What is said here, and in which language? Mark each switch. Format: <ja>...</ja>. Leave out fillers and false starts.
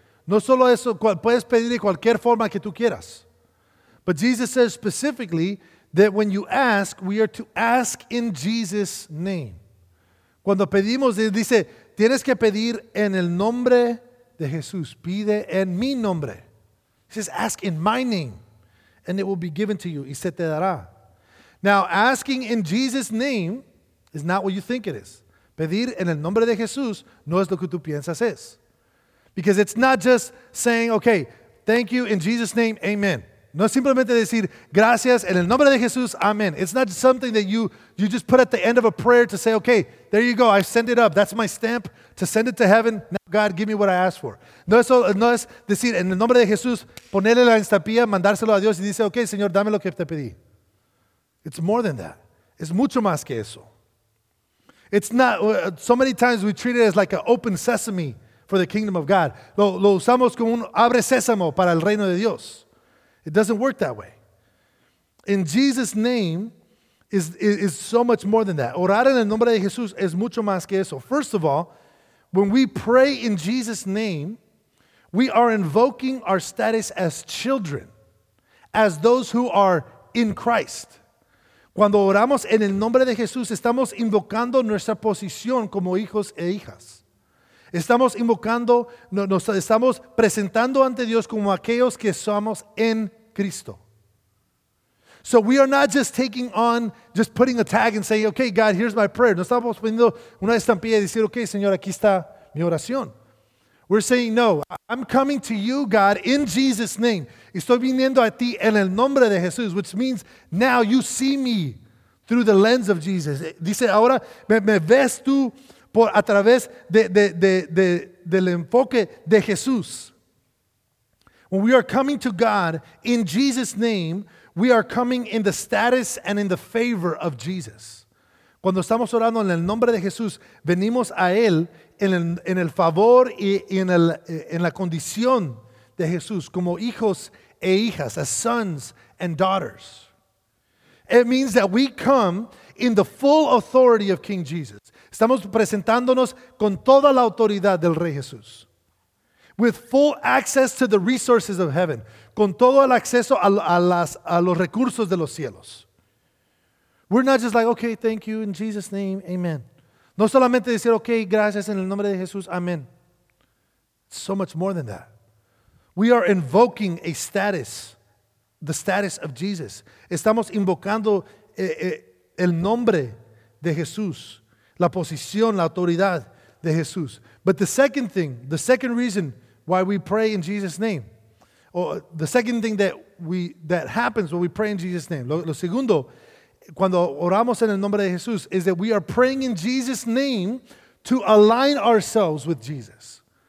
<es>No solo eso, puedes pedir de cualquier forma que tú quieras.</es> <en>But Jesus says specifically that when you ask, we are to ask in Jesus' name.</en> <es>Cuando pedimos, dice, tienes que pedir en el nombre de Jesús. Pide en mi nombre.</es> <en>He says, ask in my name, and it will be given to you.</en> <es>Y se te dará.</es> <en>Now, asking in Jesus' name is not what you think it is.</en> <es>Pedir en el nombre de Jesús no es lo que tú piensas es.</es> <en>Because it's not just saying, okay, thank you, in Jesus' name, amen.</en> <es>No es simplemente decir, gracias, en el nombre de Jesús, amen.</es> <en>It's not just something that you just put at the end of a prayer to say, okay, there you go, I sent it up. That's my stamp to send it to heaven. Now, God, give me what I asked for.</en> <es>No es decir, en el nombre de Jesús, ponerle la estampilla, mandárselo a Dios y dice, okay, Señor, dame lo que te pedí.</es> <en>It's more than that.</en> <es>Es mucho más que eso.</es> <en>It's not, so many times we treat it as like an open sesame for the kingdom of God.</en> <es>Lo usamos como un abre sésamo para el reino de Dios.</es> <en>It doesn't work that way. In Jesus' name is so much more than that.</en> <es>Orar en el nombre de Jesús es mucho más que eso.</es> <en>First of all, when we pray in Jesus' name, we are invoking our status as children, as those who are in Christ.</en> <es>Cuando oramos en el nombre de Jesús, estamos invocando nuestra posición como hijos e hijas. Estamos invocando, nos estamos presentando ante Dios como aquellos que somos en Cristo.</es> <en>So we are not just taking on, just putting a tag and saying, okay, God, here's my prayer.</en> <es>No estamos poniendo una estampilla y decir, okay, Señor, aquí está mi oración.</es> <en>We're saying, no, I'm coming to you, God, in Jesus' name.</en> <es>Estoy viniendo a ti en el nombre de Jesús,</es> <en>which means now you see me through the lens of Jesus.</en> <es>Dice, ahora me ves tú a través del enfoque de Jesús.</es> <en>When we are coming to God in Jesus' name, we are coming in the status and in the favor of Jesus.</en> <es>Cuando estamos orando en el nombre de Jesús, venimos a Él en el favor y en la condición de Jesús, como hijos e hijas,</es> <en>as sons and daughters. It means that we come in the full authority of King Jesus.</en> <es>Estamos presentándonos con toda la autoridad del Rey Jesús.</es> <en>With full access to the resources of heaven.</en> <es>Con todo el acceso a los recursos de los cielos.</es> <en>We're not just like, okay, thank you, in Jesus' name, amen.</en> <es>No solamente decir, okay, gracias, en el nombre de Jesús, amen.</es> <en>It's so much more than that. We are invoking a status, the status of Jesus.</en> <es>Estamos invocando el nombre de Jesús. La posición, la autoridad de Jesús.</es> <en>But the second reason why we pray in Jesus' name, or the second thing that happens when we pray in Jesus' name,</en> <es>lo segundo, cuando oramos en el nombre de Jesús,</es> <en>is that we are praying in Jesus' name to align ourselves with Jesus.</en>